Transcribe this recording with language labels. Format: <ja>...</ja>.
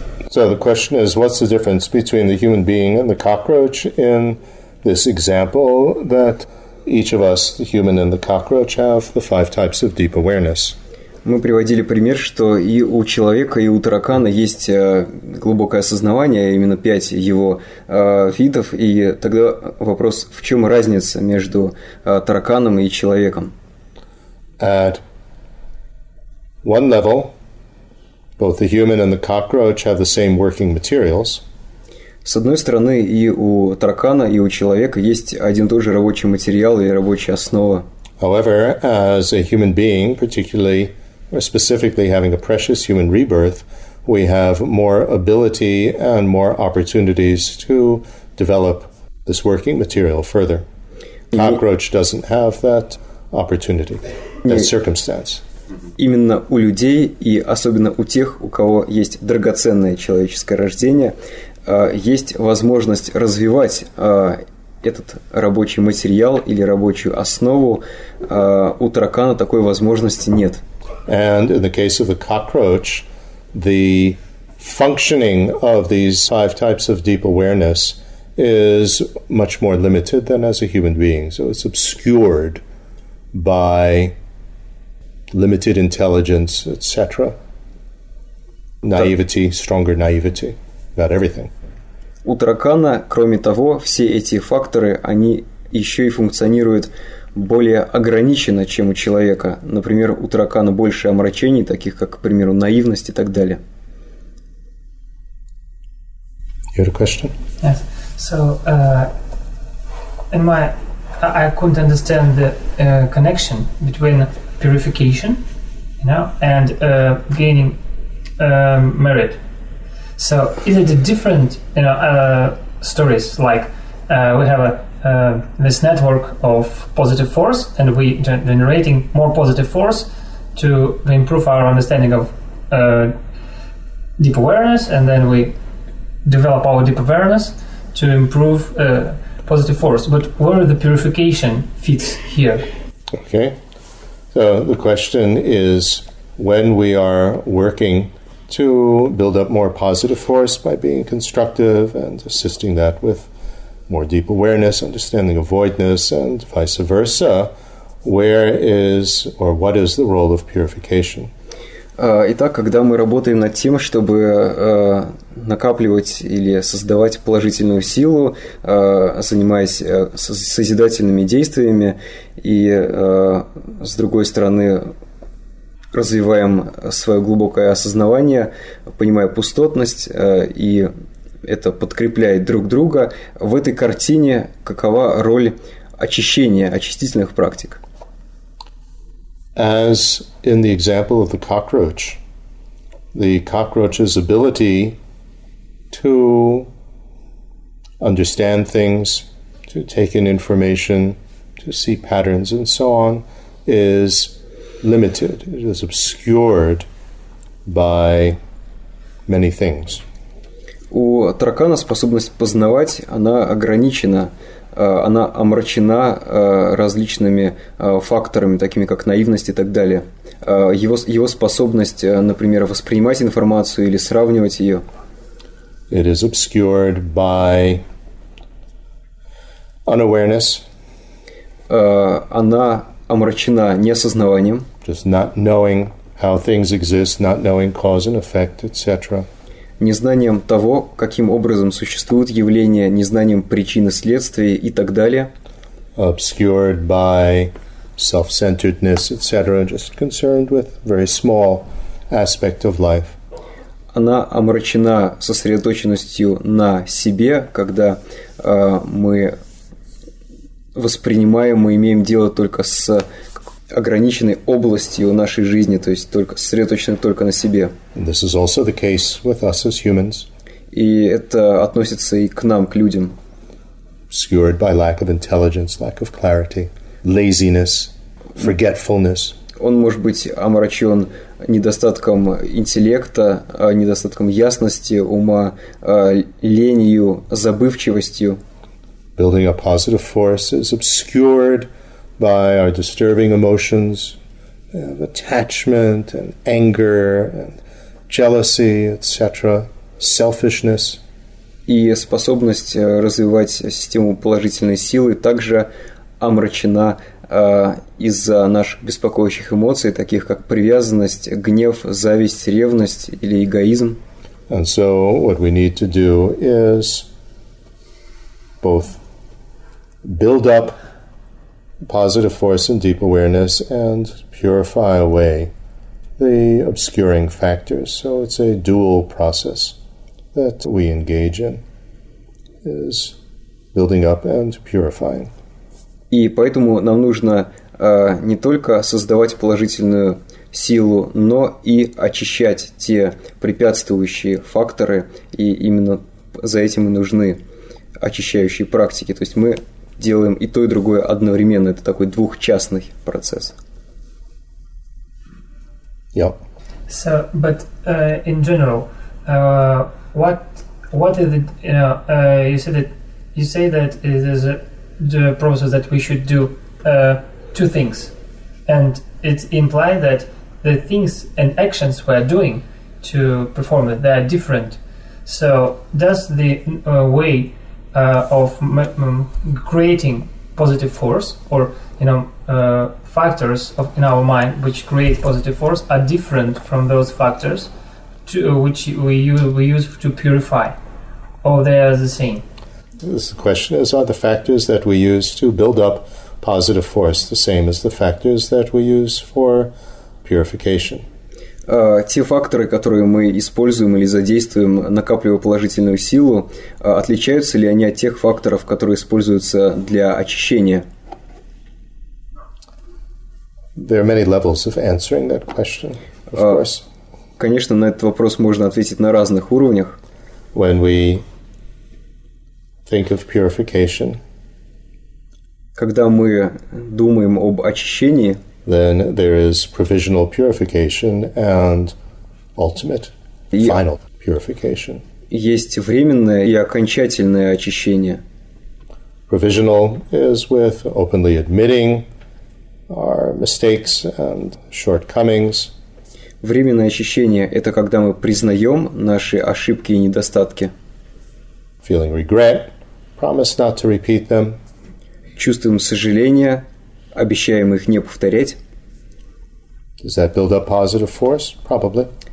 <en>So the question is, what's the difference between the human being and the cockroach in this example that each of us, the human and the cockroach, have the five types of deep awareness.</en> <ru>Мы приводили пример, что и у человека, и у таракана есть глубокое осознавание, именно пять его видов. И тогда вопрос, в чем разница между тараканом и человеком?</ru> <en>At one level, both the human and the cockroach have the same working materials.</en> <ru>С одной стороны, и у таракана, и у человека есть один и тот же рабочий материал и рабочая основа.</ru> <en>However, as a human being, particularly or specifically having a precious human rebirth, we have more ability and more opportunities to develop this working material further. Cockroach doesn't have that opportunity, that circumstance.</en> <ru>Именно у людей, и особенно у тех, у кого есть драгоценное человеческое рождение, есть возможность развивать этот рабочий материал или рабочую основу. У таракана такой возможности нет.</ru> <en>And in the case of the cockroach, the functioning of these five types of deep awareness is much more limited than as a human being. So it's obscured by limited intelligence, etc. Naivety, stronger naivety about everything.</en> <ru>У таракана, кроме того, все эти факторы, они еще и функционируют более ограниченно, чем у человека. Например, у таракана больше омрачений, таких как, к примеру, наивность и так далее.</ru> <en>You had a question? Yes. So, I couldn't understand the connection between purification, you know, and gaining merit. So, is it a different, you know, stories? Like, we have this network of positive force, and we generating more positive force to improve our understanding of deep awareness, and then we develop our deep awareness to improve positive force. But where the purification fits here? Okay. So, the question is, when we are working to build up more positive force by being constructive and assisting that with more deep awareness, understanding of voidness, and vice versa, where is or what is the role of purification?</en> <ru>Итак, когда мы работаем над тем, чтобы накапливать или создавать положительную силу, занимаясь созидательными действиями, и с другой стороны, развиваем свое глубокое осознавание, понимая пустотность, и это подкрепляет друг друга. В этой картине какова роль очищения, очистительных практик?</ru> <en>As in the example of the cockroach's ability to understand things, to take in information, to see patterns and so on, is limited. It is obscured by many things.</en> <ru>У таракана способность познавать, она ограничена, она омрачена различными факторами, такими как наивность и так далее. Его способность, например, воспринимать информацию или сравнивать ее.</ru> <en>It is obscured by unawareness.</en> <ru>Она омрачена неосознаванием.</ru> <en>Just not knowing how things exist, not knowing cause and effect, etc.</en> <ru>Незнанием того, каким образом существуют явления, незнанием причин и следствий и так далее.</ru> <en>Obscured by self-centeredness, etc. Just concerned with very small aspect of life.</en> <ru>Она омрачена сосредоточенностью на себе, когда мы воспринимаем, мы имеем дело только с ограниченной областью нашей жизни, то есть только сосредоточены только на себе.</ru> <en>This is also the case with us as humans.</en> <ru>И это относится и к нам, к людям.</ru> <en>Obscured by lack of intelligence, lack of clarity, laziness, forgetfulness.</en> <ru>Он может быть омрачен недостатком интеллекта, недостатком ясности, ума, ленью, забывчивостью.</ru> <en>Building a positive force is obscured by our disturbing emotions of attachment and anger and jealousy, etc., selfishness.</en> <ru>И способность развивать систему положительной силы также омрачена из-за наших беспокоящих эмоций, таких как привязанность, гнев, зависть, ревность или эгоизм.</ru> <en>And so what we need to do is both build up positive force and deep awareness and purify away the obscuring factors. So it's a dual process that we engage in, is building up and purifying.</en> <ru>И поэтому нам нужно не только создавать положительную силу, но и очищать те препятствующие факторы, и именно за этим и нужны очищающие практики. То есть мы делаем и то, и другое одновременно. Это такой двухчастный процесс.</ru> <en>Yeah. So, but in general, what is it, you say that it is the process that we should do two things. And it implies that the things and actions we are doing to perform it, they are different. So does the way of creating positive force, or you know, factors of in our mind which create positive force, are different from those factors to which we use to purify, or they are the same? This question is: are the factors that we use to build up positive force the same as the factors that we use for purification?</en> <ru>Те факторы, которые мы используем или задействуем, накапливая положительную силу, отличаются ли они от тех факторов, которые используются для очищения?</ru> <en>There are many levels of answering that question, of course.</en> <ru>Конечно, на этот вопрос можно ответить на разных уровнях.</ru> <en>When we think of purification,</en> <ru>когда мы думаем об очищении,</ru> <en>then there is provisional purification and ultimate, final purification.</en> <ru>Есть временное и окончательное очищение.</ru> <en>Provisional is with openly admitting our mistakes and shortcomings.</en> <ru>Временное очищение – это когда мы признаем наши ошибки и недостатки.</ru> <en>Feeling regret, promise not to repeat them.</en> <ru>Чувствуем сожаление, обещаем их не повторять.</ru> <en>Does that build up positive force? Probably.</en>